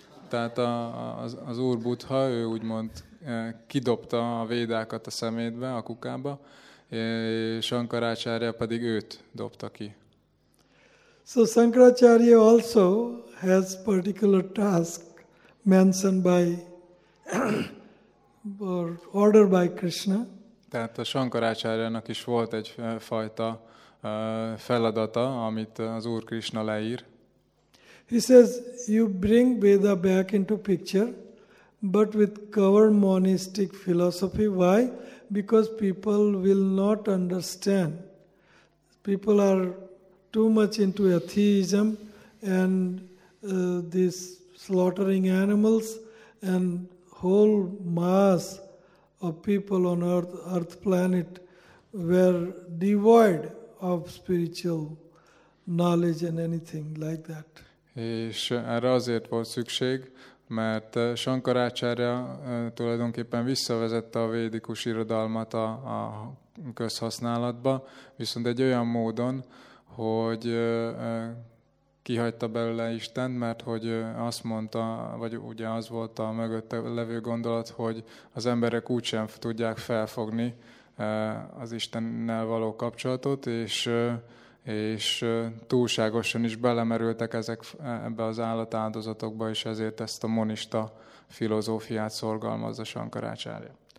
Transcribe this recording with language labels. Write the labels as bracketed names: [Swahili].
[Hungarian] Tehát az Úr Buddha, ő úgymond kidobta a védákat a szemétbe, a kukába, és Shankaracharya pedig őt dobta ki. [English] So Shankaracharya also has particular task mentioned by or order by Krishna. [Hungarian] Tehát a Shankaracharyának is volt egy fajta feladata, amit az Úr Krishna leír. [English] He says, you bring Veda back into picture, but with covered monistic philosophy. Why? Because people will not understand. People are too much into atheism and this slaughtering animals, and whole mass of people on earth planet were devoid of spiritual knowledge and anything like that. [Hungarian] És erre azért volt szükség, Mert Sankaracharya tulajdonképpen visszavezette a védikus irodalmat a közhasználatba, viszont egy olyan módon, hogy kihagyta belőle Istent, mert hogy azt mondta, vagy ugye az volt a mögötte levő gondolat, hogy az emberek úgysem tudják felfogni az Istennel való kapcsolatot, és túlságosan is belemerültek ezek ebbe az állatáldozatokba, és ezért ezt a monista filozófiát szorgalmazza Sankaracharya.